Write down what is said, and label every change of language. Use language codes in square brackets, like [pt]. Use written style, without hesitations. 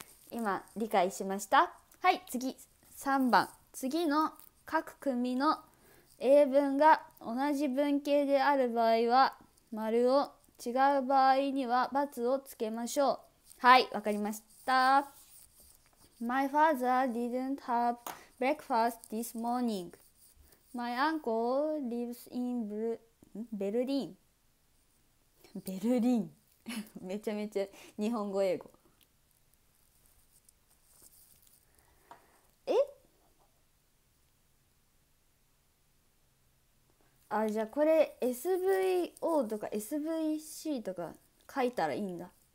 [ja] 今理解しました。はい、次3番。次の各組の英文が同じ文型である場合は丸を、違う場合には×をつけましょう。はい、わかりました。 [en] My father didn't have breakfast this morning. My uncle lives in ベルリン。 [ja] ベルリン。めちゃめちゃ日本語英語。あ、じゃあこれ SVO とか SVC とか書いたらいいんだ。